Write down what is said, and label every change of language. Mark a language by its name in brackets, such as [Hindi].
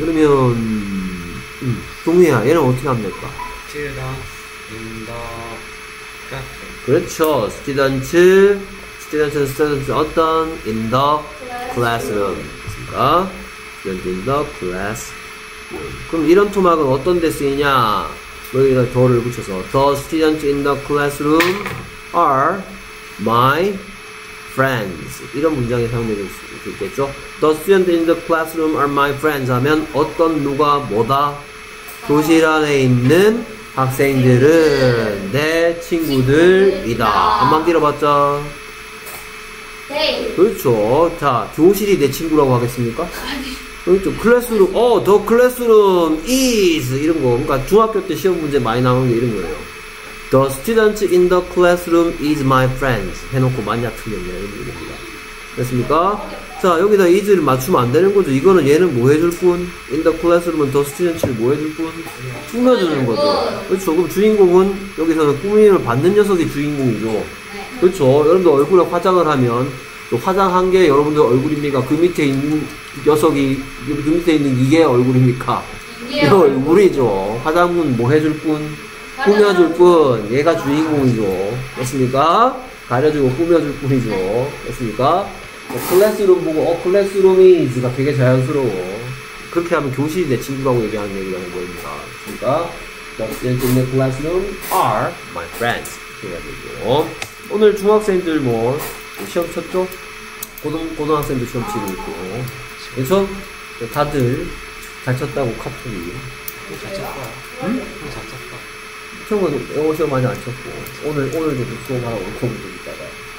[Korean] 그러면 동희야, 얘는 어떻게 하면 될까? [English] Students in the classroom. [Korean] 그렇죠. [English] Students. Students. Students [Korean] 어떤 [English] in the classroom. [Korean] 맞습니까? [English] Students in the classroom. [Korean] 그럼 이런 토막은 어떤 데 쓰이냐? 여기다 더를 붙여서 [English] The students in the classroom are my friends. [Korean] 이런 문장이 사용될 수 있겠죠? [English] The students in the classroom are my friends [Korean] 하면 어떤 누가 뭐다? 교실 안에 있는 학생들은 내 친구들이다. 한번 길어봤자. 네. 그렇죠. 자, 교실이 내 친구라고 하겠습니까? 아니. 그렇죠. 클래스룸, 더 클래스룸 is 이런 거. 그러니까 중학교 때 시험 문제 많이 나오는 게 이런 거예요. [English] The students in the classroom is my friends. [Korean] 해놓고 만약 틀렸냐 이런 겁니다. 됐습니까? 자, 여기다 is를 맞추면 안 되는 거죠. 이거는 얘는 뭐 해줄 뿐? [English] In the classroom [Korean] 은 [English] the students [Korean] 를 뭐 해줄 뿐? 꾸며주는 거죠. 그렇죠. 그럼 주인공은 여기서는 꾸밈을 받는 녀석이 주인공이죠. 그렇죠. 여러분들 얼굴에 화장을 하면 화장한 게 여러분들 얼굴입니까? 그 밑에 있는 녀석이, 그 밑에 있는 이게 얼굴입니까? 이게 얼굴이죠. 화장은 뭐 해줄 뿐? 꾸며줄 뿐. 얘가 주인공이죠. 됐습니까? 가려주고 꾸며줄 뿐이죠. 됐습니까? 클래스룸 보고, 클래스룸이즈가 되게 자연스러워. 그렇게 하면 교실이 내 친구라고 얘기하는 얘기라는 거입니다. 됐습니까? [English] The students in the classroom are my friends. [Korean] 그래가지고. 오늘 중학생들 뭐, 시험 쳤죠? 고등학생도 시험 치고 있고. 그렇죠? 다들 잘 쳤다고 카톡이. 잘 쳤다. 응? 잘 쳤다. 형은 영어 시험 많이 안 쳤고, 오늘도 수업하고 공부 좀 있다가.